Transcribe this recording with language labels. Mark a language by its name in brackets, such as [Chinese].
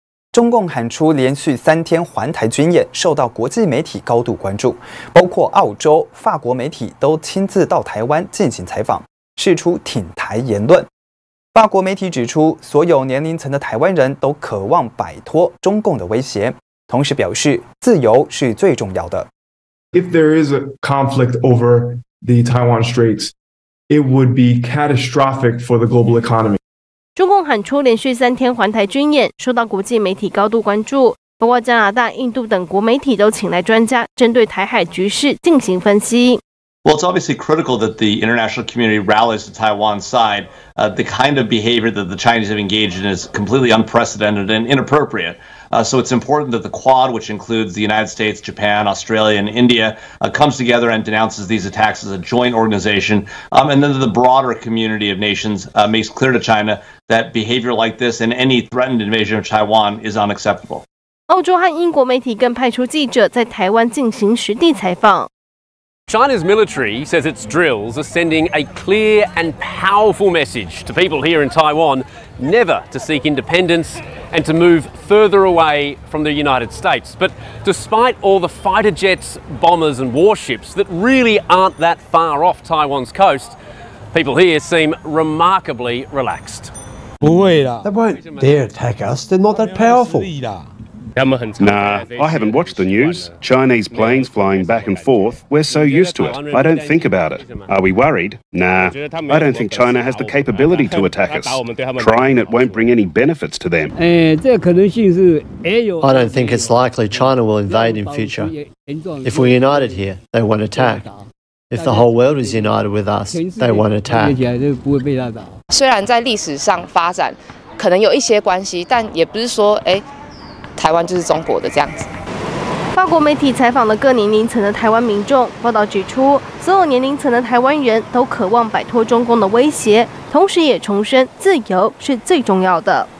[Chinese] 中共喊出连续三天环台军演受到国际媒体高度关注，包括澳洲、法国媒体都亲自到台湾进行采访，释出挺台言论。法国媒体指出，所有年龄层的台湾人都渴望摆脱中共的威胁，同时表示自由是最重要的。 [English] If there is a conflict over the Taiwan Straits, it would be catastrophic for the global economy. [Chinese] 中共喊出连续三天环台军演，受到国际媒体高度关注，包括加拿大、印度等国媒体都请来专家，针对台海局势进行分析。 [English] Well, it's obviously critical that the international community rallies to Taiwan's side. The kind of behavior that the Chinese have engaged in is completely unprecedented and inappropriate. So it's important that the Quad, which includes the United States, Japan, Australia, and India, comes together and denounces these attacks as a joint organization. And then the broader community of nations makes clear to China that behavior like this and any threatened invasion of Taiwan is unacceptable. [Chinese] 澳洲和英国媒体更派出记者在台湾进行实地采访。 [English] China's military says its drills are sending a clear and powerful message to people here in Taiwan never to seek independence and to move further away from the United States. But despite all the fighter jets, bombers and warships that really aren't that far off Taiwan's coast, people here seem remarkably relaxed. They won't dare attack us, they're not that powerful. Nah, I haven't watched the news. Chinese planes flying back and forth, we're so used to it. I don't think about it. Are we worried? Nah, I don't think China has the capability to attack us. Trying it won't bring any benefits to them. I don't think it's likely China will invade in future. If we're united here, they won't attack. If the whole world is united with us, they won't attack. [Chinese] 虽然在历史上发展可能有一些关系，但也不是说台湾就是中国的这样子。法国媒体采访了各年龄层的台湾民众，报道指出，所有年龄层的台湾人都渴望摆脱中共的威胁，同时也重申自由是最重要的。